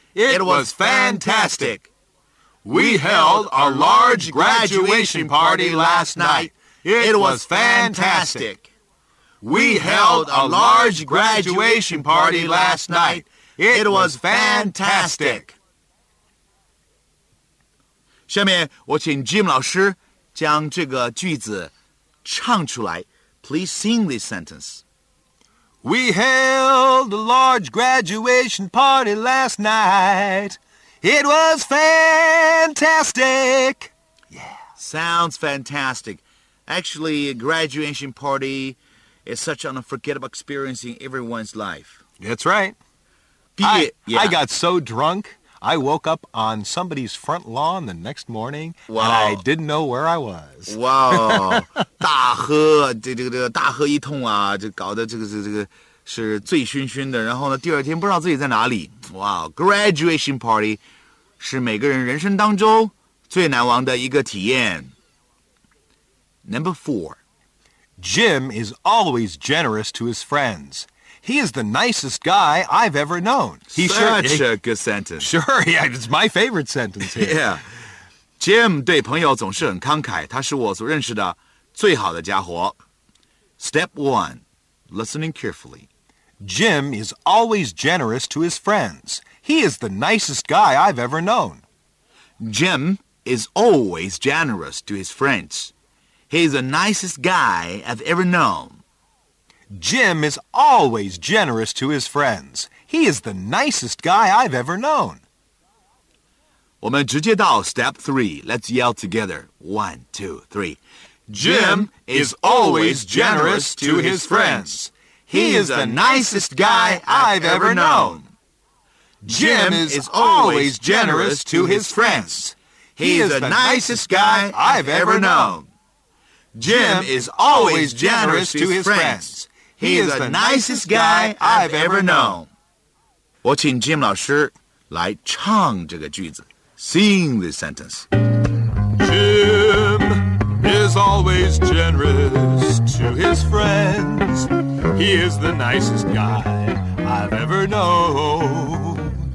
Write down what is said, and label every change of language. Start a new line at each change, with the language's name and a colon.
English: It was fantastic. We held a large graduation party last night. It was fantastic. We held a large graduation party last night. It was fantastic.
Chinese: 下面我请 Jim 老师将这个句子唱出来。
English: Please sing this sentence. We held a large graduation party last night. It was fantastic. Yeah, sounds fantastic. Actually, a graduation party is such an unforgettable experience in everyone's life. That's right. I got so drunk, I woke up on somebody's front lawn the next morning, and I didn't know where I was. Wow.
Chinese: 大喝，大喝一通啊，就搞得这个是醉醺醺的，然后呢，第二天不知道自己在哪里。 Wow,
English: graduation party
Chinese: 是每个人人生当中最难忘的一个体验。
English: Number 4. Jim is always generous to his friends. He is the nicest guy I've ever known. Such a good sentence. Sure, yeah, it's my favorite sentence here. Yeah.
Chinese: Jim 对朋友总是很慷慨，他是我所认识的最好的家伙。
English: Step 1. Listening carefully. Jim is always generous to his friends. He is the nicest guy I've ever known. Jim is always generous to his friends. He's the nicest guy I've ever known. Jim is always generous to his friends. He is the nicest guy I've ever known.
Chinese: 我们直接到
English: step 3. Let's yell together. 1, 2, 3. Jim is always generous to his friends. He is the nicest guy I've ever known. Jim is always generous to his friends. He is the nicest guy I've ever known. Jim is always generous to his friends. He is the nicest guy I've ever known.
Chinese: 我请 Jim 老师来唱这个句子 ，
English: sing this sentence. Jim is always generous to his friends. He is the nicest guy I've ever known.